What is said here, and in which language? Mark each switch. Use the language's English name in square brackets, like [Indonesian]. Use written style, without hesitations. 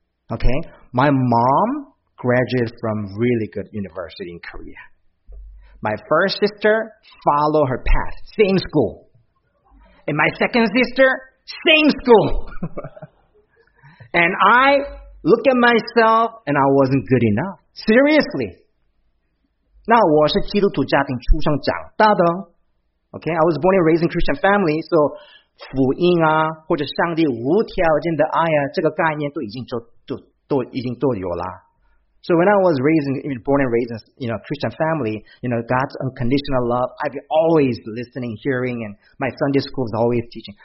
[English] Okay, my mom graduated from really good university in Korea. My first sister followed her path, same school. And my second sister, same school. And I look at myself and I wasn't good enough. Seriously. [Chinese] 那我是基督徒家庭出生长大的。 [English] Okay, I was born and raised in Christian family, so... [Chinese] 福音啊，或者上帝无条件的爱啊，这个概念都已经有了。 [English] So when I was born and raised in you know, Christian family, you know, God's unconditional love, I've always listening, hearing, and my Sunday school is always teaching.